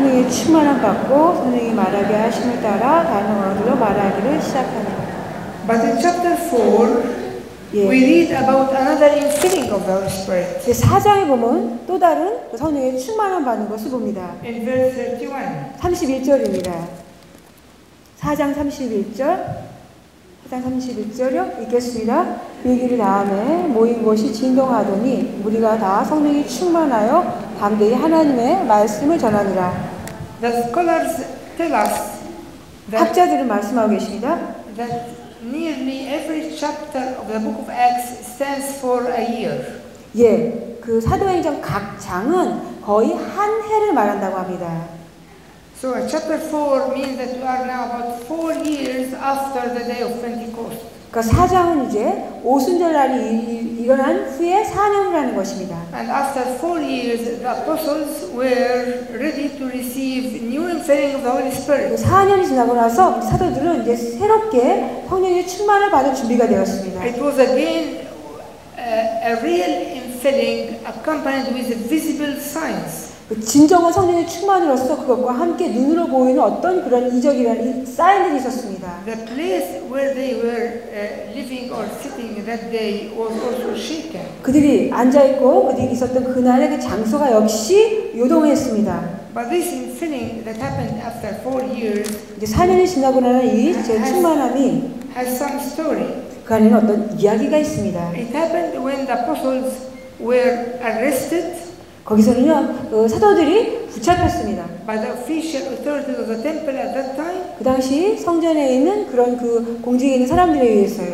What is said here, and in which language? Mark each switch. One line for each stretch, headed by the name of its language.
Korean: 충만함 받고 선생님이 말하게 하심을 따라 다른 언어들로 말하기를 시작합니다.
English: But in chapter 4, yeah. we read about another infilling of the Holy Spirit.
Korean: 4장에 보면 또 다른 성령의 충만함 받는 것을 봅니다.
English: In verse 31.
Korean: 31절입니다. 4장 31절. 4장 31절요? 읽겠습니다. 얘기를 다음에 모인 곳이 진동하더니 우리가 다 성령이 충만하여 담대히 하나님의 말씀을 전하니라.
English: The scholars tell us that
Korean: 학자들은 말씀하고 계십니다.
English: That nearly every chapter of the Book of Acts stands for a year.
Korean: 예, 그 사도행전 각 장은 거의 한 해를 말한다고 합니다.
English: So chapter 4 means that we are now about 4 years after the day of Pentecost.
Korean: 그 4장은 이제 오순절 날이 일어난 후에 4년을 하는 것입니다.
English: And after 4 years the apostles were ready to receive new infilling of the Holy Spirit.
Korean: 4년이 지나고 나서 사도들은 이제 새롭게 성령의 충만을 받을 준비가 되었습니다.
English: It was again a real infilling accompanied with visible signs.
Korean: 진정한 성령의 충만으로서 그것과 함께 눈으로 보이는 어떤 그런 이적이라는 사인들이 있었습니다.
English: The place where they were living or sitting that day was also shaken.
Korean: 그들이 앉아 있고 어디 있었던 그날의 그 장소가 역시 요동했습니다.
English: But this feeling that happened after 4 years.
Korean: 이제 4년이 지나고 나는 이 제 충만함이
English: has some story.
Korean: 그 안에는 어떤 이야기가 있습니다.
English: It happened when the apostles were arrested.
Korean: 거기서는요 사도들이 붙잡혔습니다.
English: By the official authorities of the temple at that time.
Korean: 그 당시 성전에 있는 그런 그 공직에 있는 사람들에 의해서요.